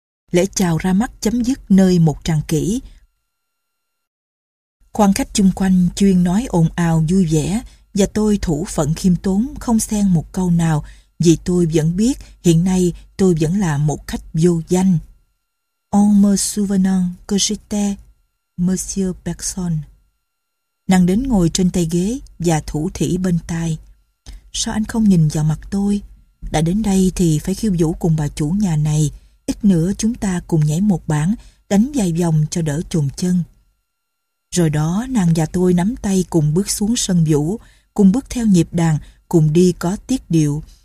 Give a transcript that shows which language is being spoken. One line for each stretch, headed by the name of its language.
Vietnamese: Lễ chào ra mắt chấm dứt nơi một tràng kỹ. Quan khách chung quanh chuyên nói ồn ào vui vẻ, và tôi thủ phận khiêm tốn không xen một câu nào, vì tôi vẫn biết hiện nay tôi vẫn là một khách vô danh.
French: En me souvenant que j'étais Monsieur Bergson.
Vietnamese: Nàng đến ngồi trên tay ghế và thủ thỉ bên tai. Sao anh không nhìn vào mặt tôi? Đã đến đây thì phải khiêu vũ cùng bà chủ nhà này. Ít nữa chúng ta cùng nhảy một bảng, đánh vài vòng cho đỡ chồm chân. Rồi đó nàng và tôi nắm tay cùng bước xuống sân vũ, cùng bước theo nhịp đàn, cùng đi có tiết điệu.